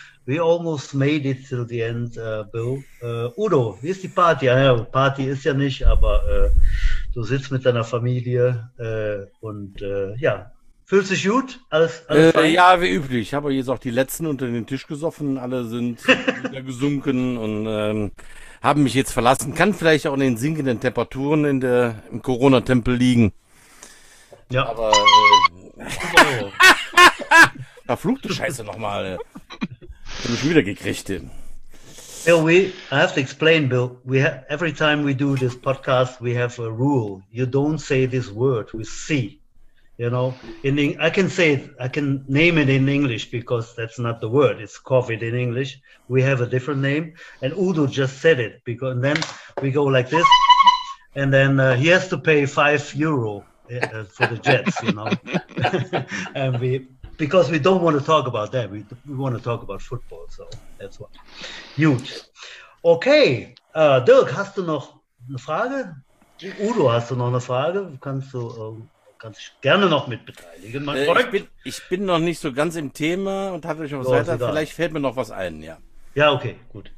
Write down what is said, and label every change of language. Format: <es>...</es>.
<en>We almost made it till the end, Bill.</en> <de>Udo, wie ist die Party? Ja, Party ist ja nicht, aber du sitzt mit deiner Familie und fühlst du dich gut? Alles ja, wie üblich. Ich habe jetzt auch die Letzten unter den Tisch gesoffen. Alle sind wieder gesunken und haben mich jetzt verlassen. Kann vielleicht auch in den sinkenden Temperaturen im Corona-Tempel liegen. Ja. Aber verfluchte Scheiße nochmal. Ich habe mich wieder gekriegt.</de> <en>Bill, I have to explain, Bill. We every time we do this podcast, we have a rule. You don't say this word with C. You know, I can name it in English because that's not the word. It's COVID in English. We have a different name. And Udo just said it because and then we go like this. And then he has to pay €5 for the Jets, you know. And because we don't want to talk about that. We want to talk about football. So that's what. Huge. Okay.</en> <de>Dirk, hast du noch eine Frage? Udo, hast du noch eine Frage? Kannst du. Kannst gerne noch mit beteiligen. Ich bin noch nicht so ganz im Thema und hatte euch noch was weiter. Vielleicht fällt mir noch was ein, ja. Ja, okay, gut.</de>